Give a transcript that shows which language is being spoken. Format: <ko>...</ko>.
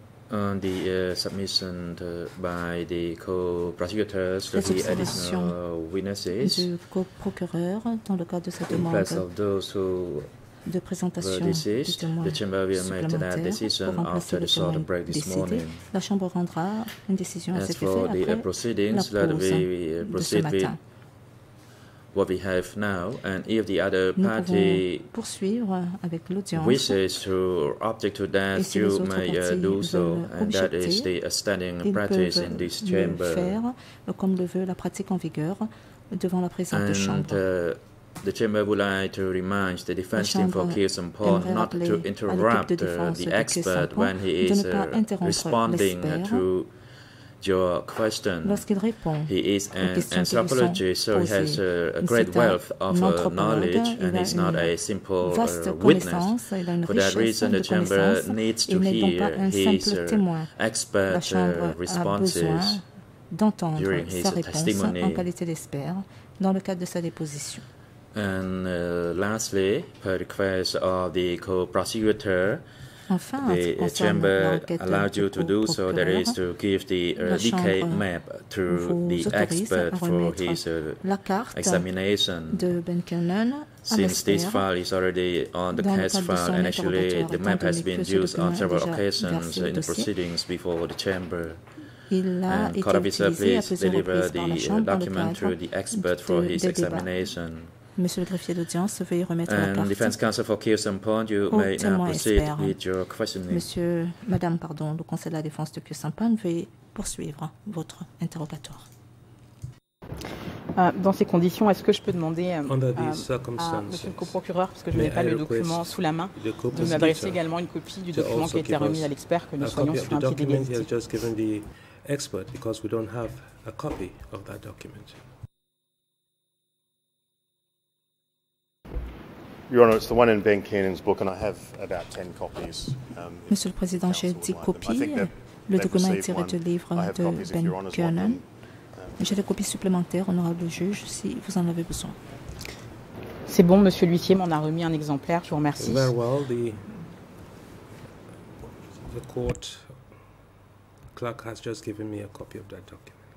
<en>The submission by the co-prosecutors to the additional witnesses.</en> <fr>Du co-procureur dans le cadre de cette demande.</fr> <en>In place of those who</en> <fr>de présentation du témoin supplémentaire pour remplacer le témoin décédé. La Chambre rendra une décision à cet effet après la pause de ce matin.</fr> <en>What we have now, and if the other party</en> <fr>nous poursuivre avec l'audience</fr> <en>to object to that,</en> <fr>et si les autres parties veulent objecter, ils peuvent</fr> <en>in this chamber.</en> <fr>Le faire comme le veut la pratique en vigueur devant la présente chambre.</fr> <en>The chamber would like to remind the defense team for Kirsten Paul not to interrupt the expert when he is responding to your question. He is an anthropologist, so he has a great wealth of knowledge and he's not a simple witness. For that reason, the chamber needs to hear his expert responses during his testimony</en> <fr>en qualité d'expert dans le cadre de sa déposition.</fr> <en>And lastly, per request of the co-prosecutor,</en> <fr>enfin,</fr> <en>the chamber allowed you to do so, that is to give the decay map to the expert for his examination.</en> <fr>De Ben Cannon,</fr> <en>since this file is already on the case file, and actually the map has been used on several occasions in the proceedings before the chamber.</en> <fr>Il a</fr> <en>and court officer, please deliver the document to the expert for his examination.</en> <fr>Monsieur le greffier d'audience, veuillez remettre</fr> <en>and</en> <fr>la carte.</fr> <en>Defense counsel for Kirsten Pond, you may now proceed with your questioning.</en> <fr>Monsieur, madame, pardon, le conseil de la défense de Kirsten Pond, veuillez poursuivre votre interrogatoire. Dans ces conditions, est-ce que je peux demander à monsieur le coprocureur, parce que je n'ai pas le document sous la main, de m'adresser également une copie du document qui a été remis à l'expert, que nous soyons sur un pied d'égalité.</fr> <en>He has just given the expert because we don't have a copy of that document. Your Honor, it's the one in Ben Cannon's book, and I have about 10 copies.</en> <fr>Monsieur le Président, j'ai 10 copies. Le document est tiré du livre de Ben Cannon. J'ai des copies supplémentaires, honorable juge, si vous en avez besoin. C'est bon, Monsieur l'huissier m'en a remis un exemplaire. Je vous remercie.</fr> <en>Very well. The court clerk has just given me a copy of that document.</en>